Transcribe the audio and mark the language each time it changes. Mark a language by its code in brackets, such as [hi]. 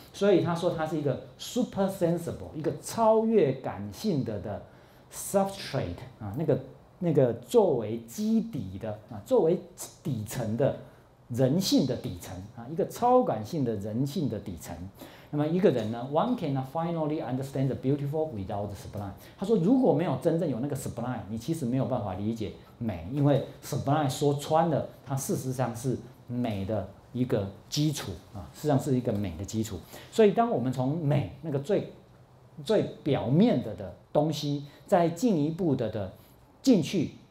[zh] 所以他说他是一个 super sensible， 一个超越感性的 substrate 啊，那个作为基底的啊，作为底层的人性的底层啊，一个超感性的人性的底层。那么一个人呢 [en] ，one can finally understand the beautiful without the sublime。 [zh] 他说，如果没有真正有那个 sublime， 你其实没有办法理解美，因为 sublime 说穿了，它事实上是美的一个基础啊，事实上是一个美的基础。所以，当我们从美那个最表面的东西，再进一步的进去。